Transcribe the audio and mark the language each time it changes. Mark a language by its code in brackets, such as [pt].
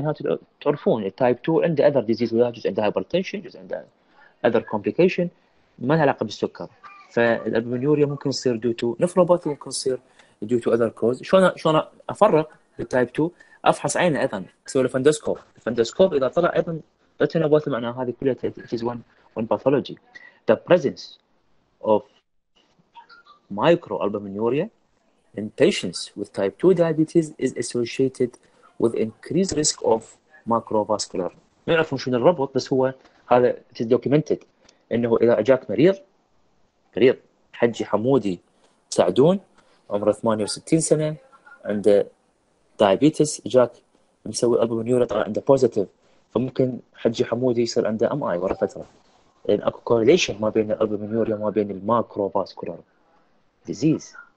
[ar] Then تعرفون, type 2 عنده [en] other disease, [ar] جزء عنده hypertension, جزء عنده [en] other complication, [ar] ما لها علاقة بالسكر. فالالبومينوريا ممكن تصير due to نفروباثي، ممكن تصير due to other cause. شو أنا أفرق بالتايب 2؟ أفحص عينه أيضا، أسوي الفندوسكوب. الفندوسكوب إذا طلع أيضا ريتينوباثي معناه هذه كلها [en] it is one pathology. The presence of microalbuminuria in patients with type 2 diabetes is associated with increased risk of macrovascular. [ar] ما يعرفون شو الربط، بس هو هذا [en] it is documented [ar] إنه إذا أجاك مريض مريض حجي حمودي سعدون عمره 68 سنة عنده دايابيتس، جاك مسوي ألبومينوريا طلع عنده بوزيتيف، فممكن حجي حمودي يصير عنده ام اي ورا فترة، لأن اكو كورليشن ما بين الألبومينوريا وما بين الماكروفاسكولار ديزيز.